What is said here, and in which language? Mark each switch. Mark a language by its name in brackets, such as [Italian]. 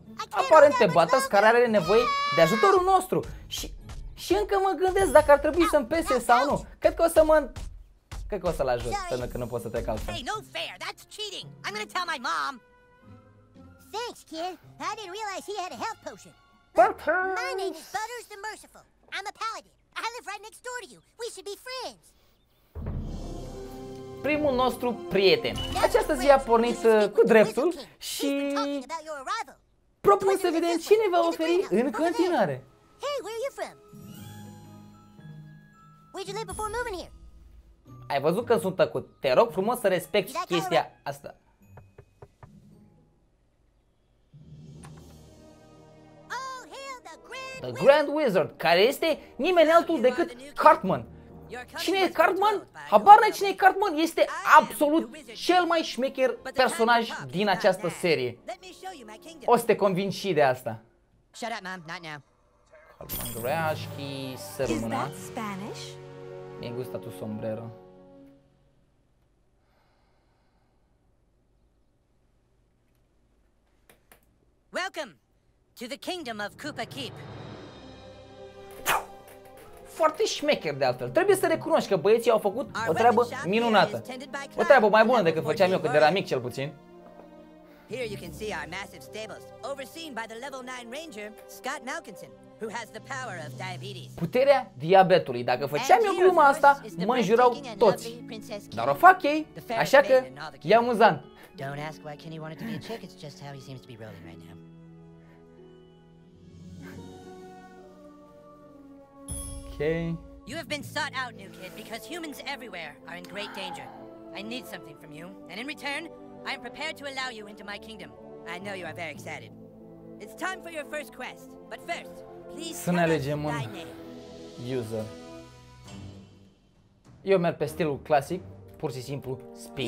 [Romanian] Aparent pe Butters care are nevoie de ajutorul nostru. Și încă mă gândesc dacă ar trebui să-mi pese sau nu. Cred că o să-l ajut, pentru că nu pot să trec altfel. [English] Hey, no fair. That's cheating. I'm gonna tell my mom. Thanks, kid. I didn't realize he had a health potion. My name is Butters the Merciful. I'm a paladin. I live right next door to you. We should be friends. [Romanian] Primul nostru prieten. Această zi a pornit cu dreptul și propun să vedem cine va oferi în continuare. [English] Hey, where are you from? Where'd you live before moving here? [Romanian] Ai văzut că sunt tăcut. Te rog frumos să respecti chestia asta. [English] Oh, hell no, [Romanian] The Grand Wizard, care este nimeni altul decât Cartman. Cine e Cartman? Habar n-ai cine e Cartman? Este absolut cel mai șmecher personaj din această serie. O să te convinc și de asta. [English] Shut up, Mom, not now. [Romanian] Cartman Grashki, să rămână. [English] Is that Spanish? [Romanian] Mi-ai gustat tu sombrero. [English] Welcome to the kingdom of Koopa Keep. [Romanian] Foarte șmecher de altfel. Trebuie să recunoști că băieții au făcut o treabă minunată. O treabă mai bună decât făceam eu când eram mic, cel puțin. [English] Here you can see our massive stables, overseen by the level 9 ranger Scott Malkinson, who has the power of diabetes. [Romanian] Puterea diabetului. Dacă făceam eu gluma asta, mă înjurau toți. Dar o fac ei, așa că e amuzant. [English] Don't ask why Kenny wanted to be a chick, it's just how he seems to be rolling right now. Okay. You have been sought out, new kid, because humans everywhere are in great danger. I need something from you, and in return, I am prepared to allow you into my kingdom. I know you are very excited. It's time for your first quest, but first, please [Romanian] să ne alegem un user. Eu merg pe stilul clasic, pur și simplu, Spins.